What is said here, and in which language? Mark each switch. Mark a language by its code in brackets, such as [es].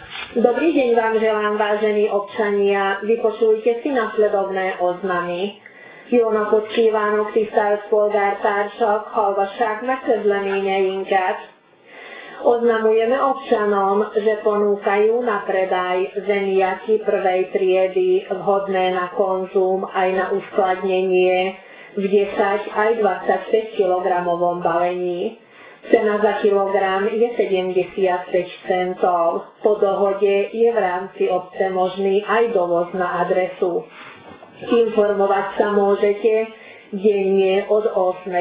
[sk] Dobrý deň vám želám, vážení občania. Vypočujte si nasledovné oznamy. [hu] Jónakot kívánok, tisztelt polgártársak, hallgassák meg közleményeinket. [sk] Oznamujeme občanom, že ponúkajú na predaj zemiaky prvej triedy vhodné na konzum aj na uskladnenie v 10 aj 25 kilogramovom balení. Cena za kilogram je 75 centov. Po dohode je v rámci obce možný aj dovoz na adresu. Informovať sa môžete denne od 8.